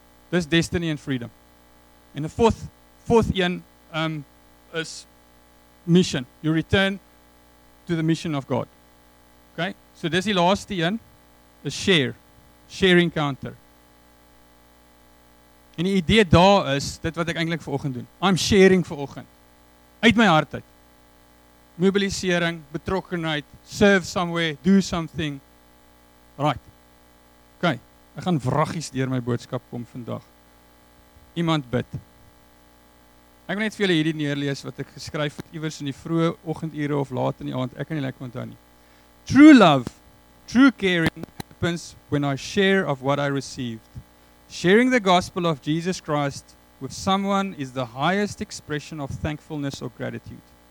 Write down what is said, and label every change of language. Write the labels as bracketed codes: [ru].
[en] This destiny and freedom. And the fourth one is mission. You return to the mission of God. Okay? So this is the last one, the share encounter. [af] En die idee daar is, dit wat ek eintlik vanoggend doen. [en] I'm sharing [af] vanoggend. Uit my hart uit. Mobilisering, betrokkenheid, [en] serve somewhere, do something. Right. [af] OK, ek gaan wraggies deur my boodskap kom vandag. Iemand bid. Ek wil net vir julle hierdie neerlees wat ek geskryf het iewers in die vroeë oggendure of laat in die aand. Ek kan nie lekker onthou nie. [en] True love, true caring happens when I share of what I received. Sharing the gospel of Jesus Christ with someone is the highest expression of thankfulness or gratitude.